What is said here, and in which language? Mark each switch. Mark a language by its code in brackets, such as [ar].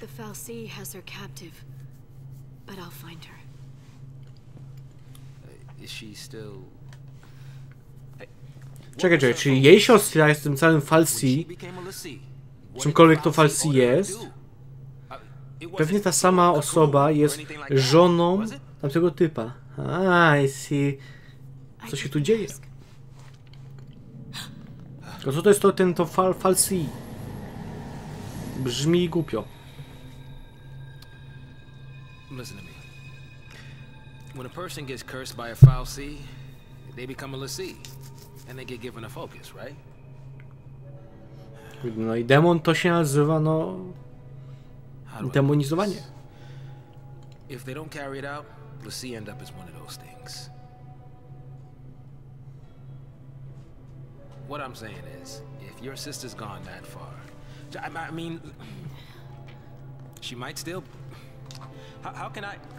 [en] The Falci has her captive, but I'll find her. Is she still? [pl] Czekaj, czekaj, czyli jej siostra jest tym całym Falci? Czymkolwiek to Falci jest? Pewnie ta sama osoba jest żoną tamtego typa. [en] I see. [pl] Co się tu dzieje? To co to jest to ten to Falci? Brzmi głupio. [en] Listen to me. When a person gets cursed by a foul sea, they become a lessee. And they get given a focus, right? [pl] No i demon to się nazywa, no... demonizowanie. [en] If they don't carry it out, lessee end up as one of those things. What I'm saying is, if your sister's gone that far, I mean, she might still. How can I?